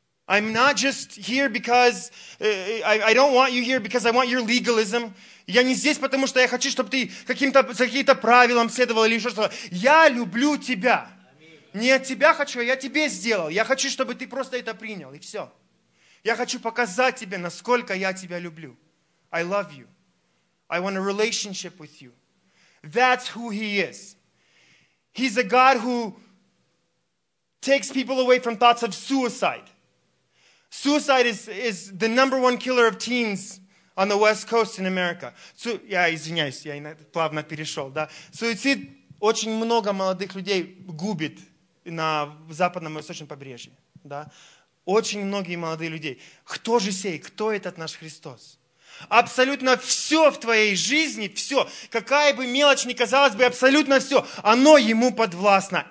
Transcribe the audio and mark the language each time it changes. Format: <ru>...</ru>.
<en>I'm not just here because I don't want you here because I want your legalism.</en> <ru>Я не здесь, потому что я хочу, чтобы ты каким-то правилам следовал или еще что-то. Я люблю тебя. Аминь. Не от тебя хочу, а я тебе сделал. Я хочу, чтобы ты просто это принял, и все. Я хочу показать тебе, насколько я тебя люблю.</ru> <en>I love you. I want a relationship with you. That's who he is. He's a God who takes people away from thoughts of suicide. Suicide is the number one killer of teens on the West Coast in America.</en> <ru>Я извиняюсь, я плавно перешел, да. Суицид очень много молодых людей губит на западном и восточном побережье, да. очень многие молодые люди. Кто же сей? Кто этот наш Христос? Абсолютно все в твоей жизни, все, какая бы мелочь ни казалась бы, абсолютно все, оно ему подвластно.</ru>